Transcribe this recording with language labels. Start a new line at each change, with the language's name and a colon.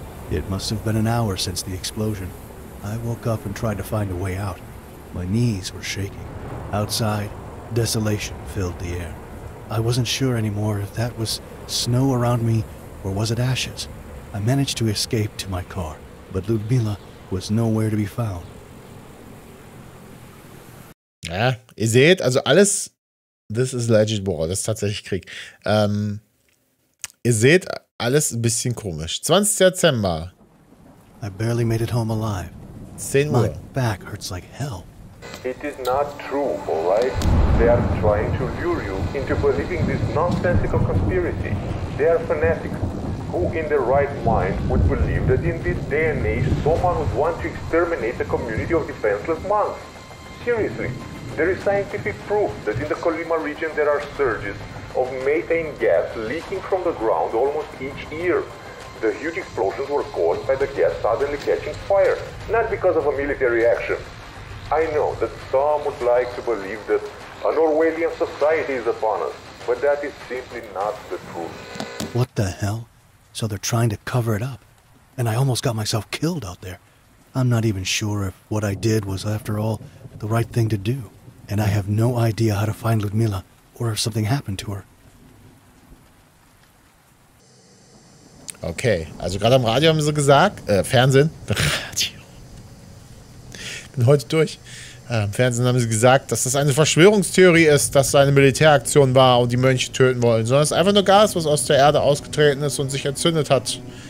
English: It must have been an hour since the explosion. I woke up and tried to find a way out. My knees were shaking. Outside, desolation filled the air. I wasn't sure anymore if that was snow around me or was it ashes. I managed to escape to my car, but Ludmila was nowhere to be found.
German: Ja, ihr seht, also alles,
English: this is legit war,
German: das ist tatsächlich Krieg. Ihr seht, alles ein bisschen komisch. 20. Dezember.
English: I barely made it home alive.
German: 10 Uhr.
English: My back hurts like hell. It is not true, all right? They are trying to lure you into believing this nonsensical conspiracy. They are fanatics. Who in their right mind would believe that in this day and age someone would want to exterminate a community of defenseless monks? Seriously, there is scientific proof that in the Kolyma region there are surges of methane gas leaking from the ground almost each year. The huge explosions were caused by the gas suddenly catching fire, not because of a military action. I know that some would like to believe that an Orwellian society is upon us, but that is simply not the truth. What the hell? So they're trying to cover it up? And I almost got myself killed out there. I'm not even sure if what I did was, after all, the right thing to do. And I have no idea how to find Ludmila, or if something happened to her.
German: Okay, also gerade am Radio haben sie gesagt, Fernsehen, Radio. Bin heute durch. Im Fernsehen haben sie gesagt, dass das eine Verschwörungstheorie ist, dass es eine Militäraktion war und die Mönche töten wollen, sondern es ist einfach nur Gas, was aus der Erde ausgetreten ist und sich entzündet hat.